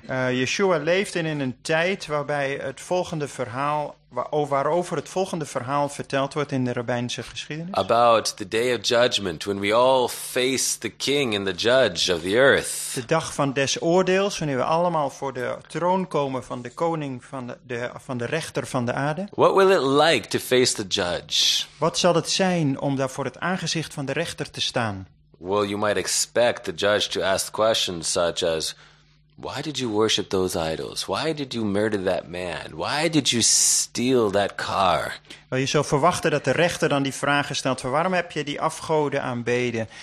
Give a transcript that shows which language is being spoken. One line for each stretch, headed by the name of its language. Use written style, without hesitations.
Dutch: Yeshua leeft in een tijd waarbij het volgende verhaal, waarover het volgende verhaal verteld wordt in de rabbijnse geschiedenis.
English: About the day of judgment, when we all face the king and the judge of the earth.
Dutch: De dag van des oordeels, wanneer we allemaal voor de troon komen van de koning, van de rechter van de aarde.
English: What will it like to face the judge?
Dutch: Wat zal het zijn om daar voor het aangezicht van de rechter te staan?
English: Well, you might expect the judge to ask questions such as, why did you worship those idols? Why did you murder that man? Why did you steal that car?
Dutch: Wel, je zou verwachten dat de rechter dan die vragen stelt van waarom heb je die afgoden aanbeden?